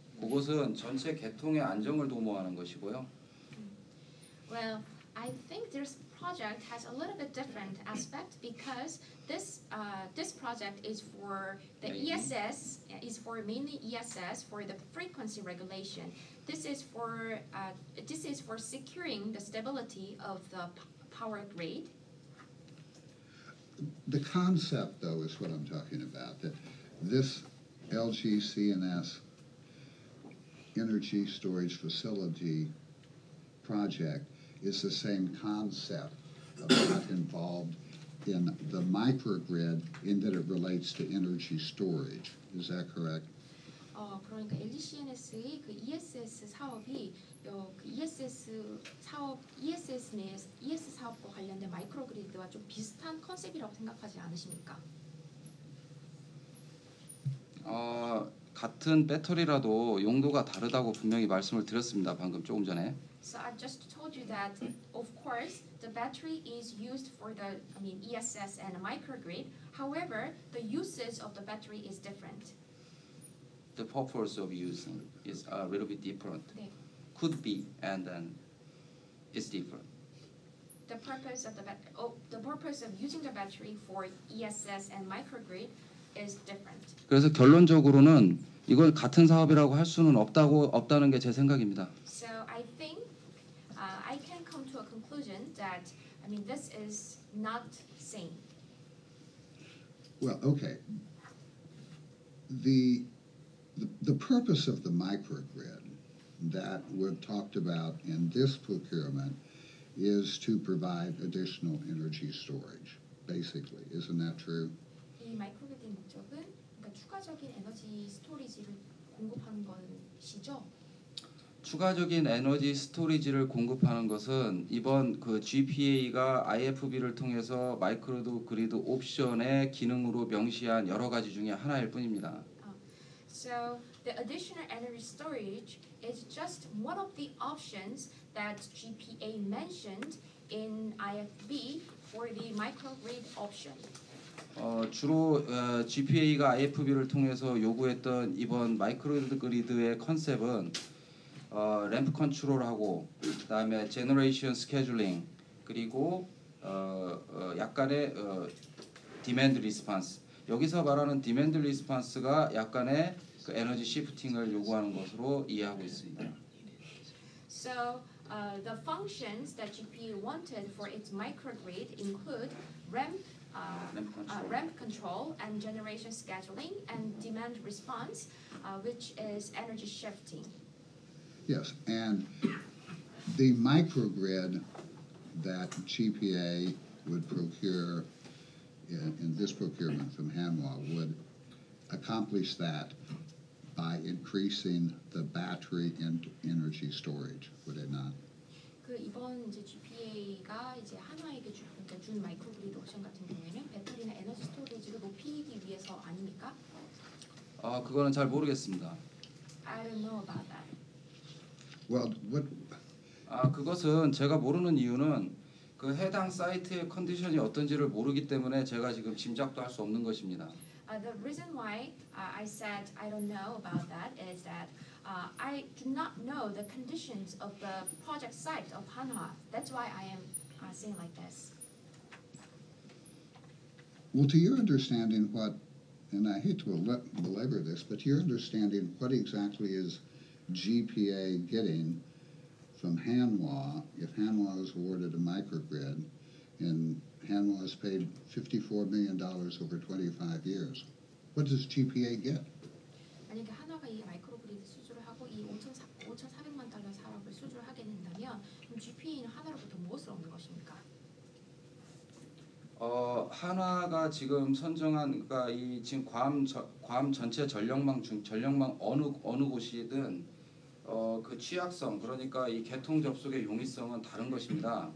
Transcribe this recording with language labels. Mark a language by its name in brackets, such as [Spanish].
[Korean] 그것은 전체 계통의 안정을 도모하는 것이고요. [English] Well, I think this project has a little bit different aspect because this this project is for the ESS, is for mainly ESS for the frequency regulation. This is for securing the stability of the power grid. The concept, though, is what I'm talking about, that this LGCNS energy storage facility project is the same concept of not involved in the microgrid in that it relates to energy storage. Is that correct? [Korean] 그러니까 LGCNS의 그 ESS 사업이 그 ESS 사업 ESS 내 ES 사업과 관련된 마이크로그리드와 좀 비슷한 컨셉이라고 생각하지 않으십니까? 같은 배터리라도 용도가 다르다고 분명히 말씀을 드렸습니다. 방금 조금 전에. [English] So I just told you that of course the battery is used for the I mean ESS and microgrid. However, the uses of the battery is different. The purpose of using is a little bit different. [Korean] 네. [English] Could be and then is different. The purpose of the the purpose of using the battery for ESS and microgrid is different. [Korean] 그래서 결론적으로는 이건 같은 사업이라고 할 수는 없다는 게 제 생각입니다. [English] So I think I can come to a conclusion that I mean this is not same. Well, okay. The purpose of the microgrid that we've talked about in this procurement is to provide additional energy storage, basically. Isn't that true? [Korean] 이 마이크로그리드의 목적은 그러니까 추가적인 에너지 스토리지를 공급하는 것이죠? 추가적인 에너지 스토리지를 공급하는 것은 이번 그 GPA가 IFB를 통해서 마이크로그리드 옵션의 기능으로 명시한 여러 가지 중에 하나일 뿐입니다. [English] So the additional energy storage is just one of the options that GPA mentioned in IFB for the microgrid option. [Korean] 주로 GPA가 IFB를 통해서 요구했던 이번 마이크로그리드의 컨셉은 램프 컨트롤하고 그다음에 제너레이션 스케줄링 그리고 약간의 디맨드 리스폰스. 여기서 말하는 디맨드 리스폰스가 약간의 그 에너지 시프팅을 요구하는 것으로 이해하고 있습니다. [English] So, the functions that GPA wanted for its microgrid include ramp control and generation scheduling and demand response, which is energy shifting. Yes, and the microgrid that GPA would procure in this procurement from Hanwha would accomplish that by increasing the battery and energy storage, would it not? [Korean] 그 이번 이제 GPA가 이제 한화에게 주, 그러니까 준 마이크로그리드 옵션 같은 경우에는 배터리나 에너지 스토리지를 높이기 위해서 아닙니까? 그거는 잘 모르겠습니다. [English] I don't know about that. Well, what? [Korean] 그것은 제가 모르는 이유는 그 해당 사이트의 컨디션이 어떤지를 모르기 때문에 제가 지금 짐작도 할 수 없는 것입니다. [English] The reason why I said I don't know about that is that I do not know the conditions of the project site of Hanwha. That's why I am saying like this. Well, to your understanding what, and I hate to belabor this, but to your understanding what exactly is GPA getting from Hanwha if Hanwha is awarded a microgrid and Hanwha has paid $54 million over 25 years. What does GPA get? [Korean] 만약에 한화가 이 마이크로그리드 수주를 하고 이 5,400만 달러 사업을 수주를 하게 된다면 그럼 GPA는 한화로부터 무엇을 얻는 것입니까? 한화가 지금 선정한 그러니까 이 지금 괌 전체 전력망 중 전력망 어느 곳이든 그 취약성 그러니까 이 개통 접속의 용이성은 다른 것입니다.